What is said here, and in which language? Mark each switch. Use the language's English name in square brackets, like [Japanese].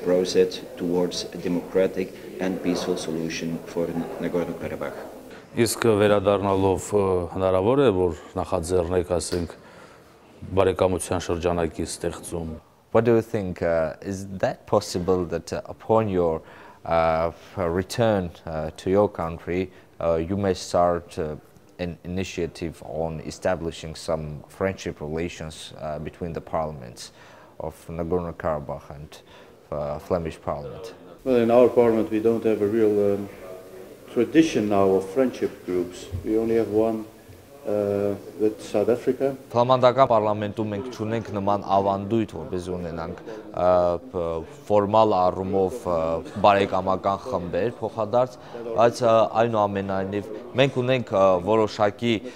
[English] Process towards a democratic and peaceful solution for Nagorno-Karabakh. [Armenian] Իսկ վերադառնալով, հնարավոր է, որ նախաձեռնեք, ասենք, բարեկամության շրջանակի ստեղծում։ [English] What do you think, is that possible that upon your return to your country, you may start an initiative on establishing some friendship relations between the parliaments of Nagorno-Karabakh and Flemish parliament? Well, in our parliament we don't have a real tradition now of friendship groups. We only have one with South Africa. [Armenian] Փոխանցական պարլամենտում մենք չունենք նման ավանդույթ, որպեսզի ունենանք ֆորմալ առումով բարեկամական խմբեր փոխադարձ, բայց այնուամենայնիվ մենք ունենք որոշակի